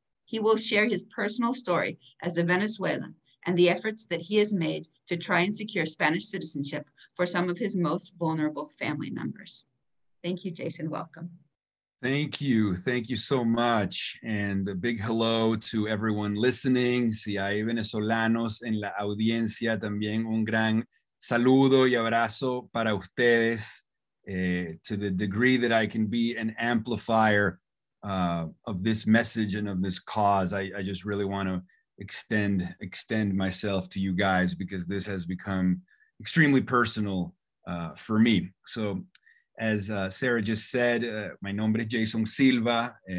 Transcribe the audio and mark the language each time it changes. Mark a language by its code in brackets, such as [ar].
[en] He will share his personal story as a Venezuelan and the efforts that he has made to try and secure Spanish citizenship for some of his most vulnerable family members. Thank you, Jason. Welcome. Thank you. Thank you so much. And a big hello to everyone listening. [es] Si hay venezolanos en la audiencia, también un gran saludo y abrazo para ustedes. [en] To the degree that I can be an amplifier of this message and of this cause, I just really want to extend myself to you guys, because this has become extremely personal for me. So as Sara just said, my [es] nombre es [en] Jason Silva.